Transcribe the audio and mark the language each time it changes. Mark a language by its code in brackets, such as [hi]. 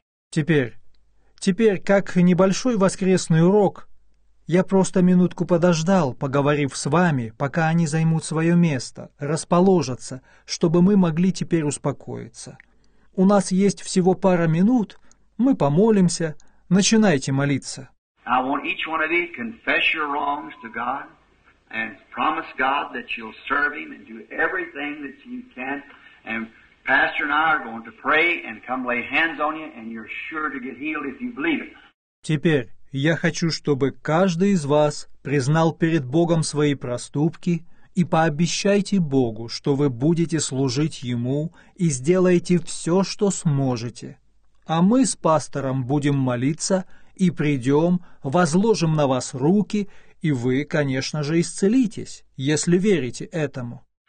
[ru] Теперь, как небольшой воскресный урок, я просто минутку подождал, поговорив с вами, пока они займут свое место, расположатся, чтобы мы могли теперь успокоиться. У нас есть всего пара минут, мы помолимся. Начинайте молиться. [en] I want each one of you to confess your wrongs to God and promise God that you'll serve Him and do everything that you can. And Pastor and I are going to pray and come lay hands on you, and you're sure to get healed if you believe it. [ru] Теперь я хочу, чтобы каждый из вас признал перед Богом свои проступки и пообещайте Богу, что вы будете служить Ему и сделаете все, что сможете. А мы с пастором будем молиться и придем, возложим на вас руки, и вы, конечно же, исцелитесь, если верите этому.